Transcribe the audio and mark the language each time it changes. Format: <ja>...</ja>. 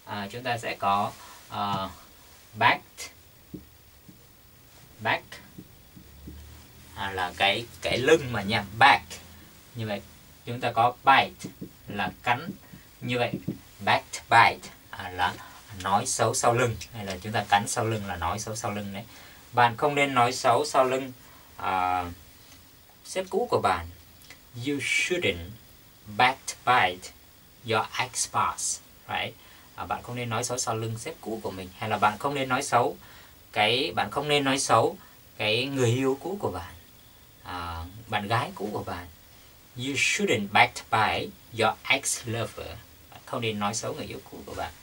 <vi>Chúng ta sẽ có back là cái lưng mà nhầm back. Như vậy chúng ta có bite là cắn. Như vậy back bite là nói xấu sau lưng, hay là chúng ta cắn sau lưng là nói xấu sau lưng đấy. Bạn không nên nói xấu sau lưng sếp cũ của bạn.</vi> <en>You shouldn't back bite your ex-boss, right?</en> <vi>Bạn không nên nói xấu sau lưng sếp cũ của mình, hay là bạn không nên nói xấu cái người yêu cũ của bạn, bạn gái cũ của bạn.</vi> <en>You shouldn't back bite your ex-lover.</en> <vi>Bạn không nên nói xấu người yêu cũ của bạn.</vi>